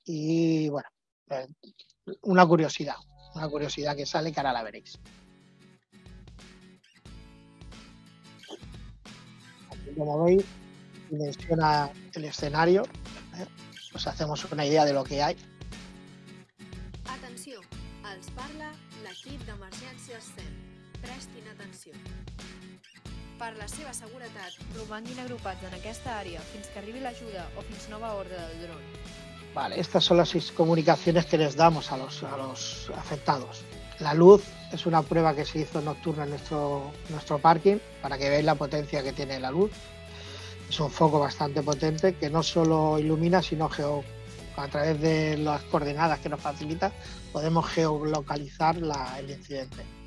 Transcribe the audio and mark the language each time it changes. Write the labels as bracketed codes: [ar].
[es] Y bueno, una curiosidad que sale, que ahora la veréis. Como veis, dimensiona el escenario, ¿eh? Pues hacemos una idea de lo que hay. [ca] Atención, els parla l'equip d'emergències 100. Prestin atenció. Per la seva seguretat, romanguin agrupats en aquesta àrea fins que arribi l'ajuda o fins nova ordre del dron. [es] Vale, estas son las 6 comunicaciones que les damos a los afectados. La luz es una prueba que se hizo nocturna en nuestro parking, para que veáis la potencia que tiene la luz. Es un foco bastante potente que no solo ilumina, sino a través de las coordenadas que nos facilita, podemos geolocalizar el incidente.